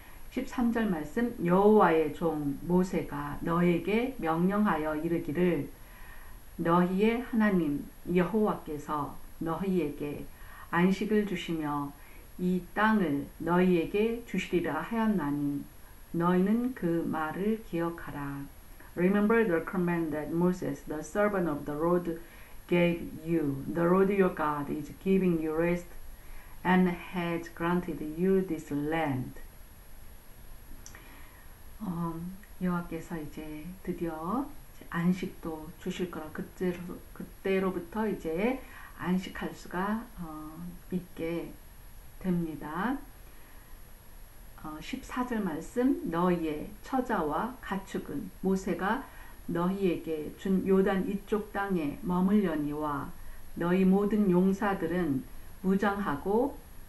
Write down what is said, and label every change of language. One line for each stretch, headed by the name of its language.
Korean: 13절 말씀 여호와의 종 모세가 너에게 명령하여 이르기를 너희의 하나님 여호와께서 너희에게 안식을 주시며 이 땅을 너희에게 주시리라 하였나니 너희는 그 말을 기억하라.
English: Remember the command that Moses, the servant of the Lord, gave you. The Lord your God is giving you rest and has granted you this land.
Korean: 여호와께서 이제 드디어 안식도 주실 거라. 그때로부터 이제 안식할 수가 있게 됩니다. 14절 말씀, 너희의 처자와 가축은 모세가 너희에게 준 요단 이쪽 땅에 머물려니와 너희 모든 용사들은 무장하고